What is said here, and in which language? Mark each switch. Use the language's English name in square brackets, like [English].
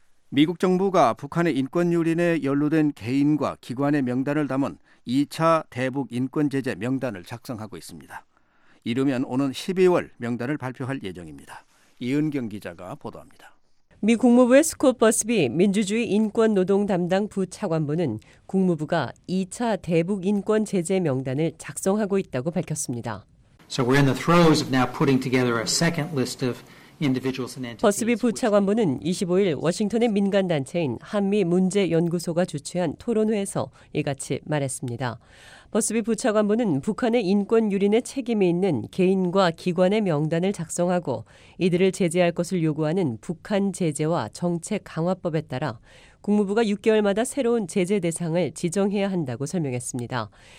[Korean] 미국 정부가 북한의 인권 유린에 연루된 개인과 기관의 명단을 담은 2차 대북 인권 제재 명단을 작성하고 있습니다. 이르면 오는 12월 명단을 발표할 예정입니다. 이은경 기자가 보도합니다. 미 국무부의 스콧 버스비 민주주의 인권 노동 담당 부차관보는 국무부가 2차 대북 인권 제재 명단을 작성하고 있다고 밝혔습니다. [English] So we're in the throes of now putting together a second list of individuals and entities. [Korean] 버스비 부차관보는 25일 워싱턴의 민간 단체인 한미 문제 연구소가 주최한 토론회에서 이같이 말했습니다. 버스비 부차관보는 북한의 인권 유린에 책임이 있는 개인과 기관의 명단을 작성하고 이들을 제재할 것을 요구하는 북한 제재와 정책 강화법에 따라 국무부가 6개월마다 새로운 제재 대상을 지정해야 한다고 설명했습니다.